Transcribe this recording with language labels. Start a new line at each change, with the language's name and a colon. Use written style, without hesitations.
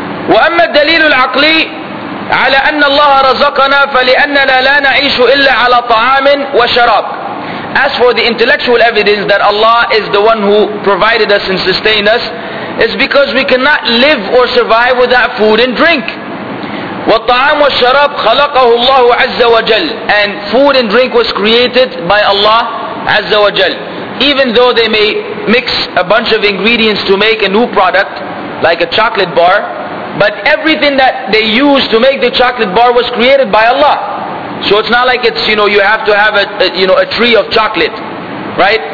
Arabic: وَأَمَّا الدَّلِيلُ الْعَقْلِي عَلَى أَنَّ اللَّهَ رَزَقَنَا فَلِأَنَّنَا لَا نَعِيشُ إِلَّا عَلَى طَعَامٍ وَشَرَابٍ.
English: As for the intellectual evidence that Allah is the one who provided us and sustained us, it's because we cannot live or survive without food and drink.
Arabic: والطعام والشراب خلقه الله عز وجل.
English: And food and drink was created by Allah عز وجل. Even though they may mix a bunch of ingredients to make a new product, like a chocolate bar, but everything that they use to make the chocolate bar was created by Allah. So it's not like it's, you know, you have to have a tree of chocolate, right?